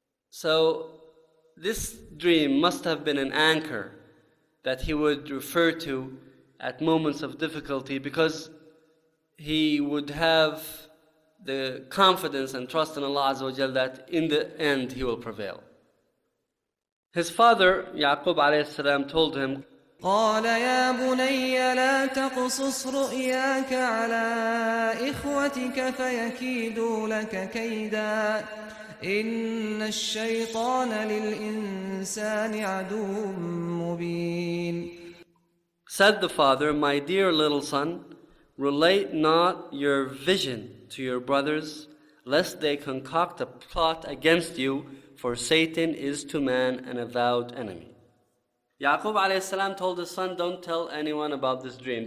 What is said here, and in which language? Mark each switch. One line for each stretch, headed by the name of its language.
English: So this dream must have been an anchor that he would refer to at moments of difficulty, because he would have the confidence and trust in Allah Azza wa Jal that in the end he will prevail. His father, Yaqub alayhi salam, told him,
Arabic: قال يا بني لا تقصص رؤياك على إخوتك فيكيدوا لك كيدا إن الشيطان للإنسان عدو مبين.
English: Said the father, my dear little son, relate not your vision to your brothers, lest they concoct a plot against you, for Satan is to man an avowed enemy. Yaqub alayhi salam told his son, don't tell anyone about this dream.